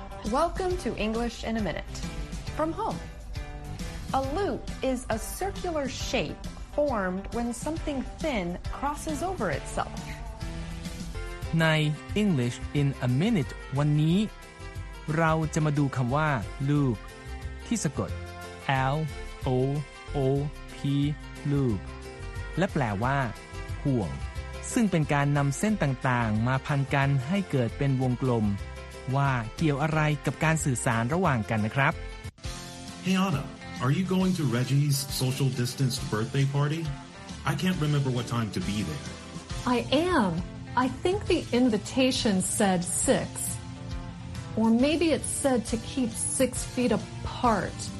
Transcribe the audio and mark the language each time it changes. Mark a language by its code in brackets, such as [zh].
[en] Welcome to English in a Minute from home. A loop is a circular shape formed when something thin crosses over itself. [th] ใน English in a Minute วันนี้เราจะมาดูคำว่า loop ที่สะกด L O O P loop และแปลว่าห่วงซึ่งเป็นการนำเส้นต่างๆมาพันกันให้เกิดเป็นวงกลมว่าเกี่ยวอะไรกับการสื่อสารระหว่างกันนะครับ [en] Hey Anna, are you going to Reggie's social distanced birthday party? I can't remember what time to be there. I am. I think the invitation said 6. Or maybe it said to keep 6 feet apart.